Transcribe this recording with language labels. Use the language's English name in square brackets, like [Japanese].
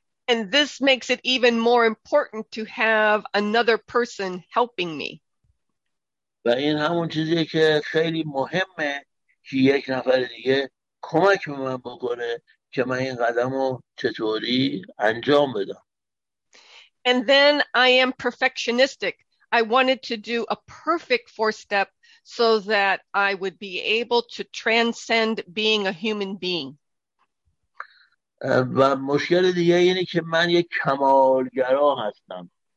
[English] And this makes it even more important to have another person helping me. [Persian] و این همون چیزیه که خیلی مهمه که یک نفر دیگه کمک به من بکنه که من این قدم رو چطوری انجام بدم. [English] And then I am perfectionistic. I wanted to do a perfect four step so that I would be able to transcend being a human being. [Persian] و مشکل دیگه اینه که من یک کمالگرا هستم.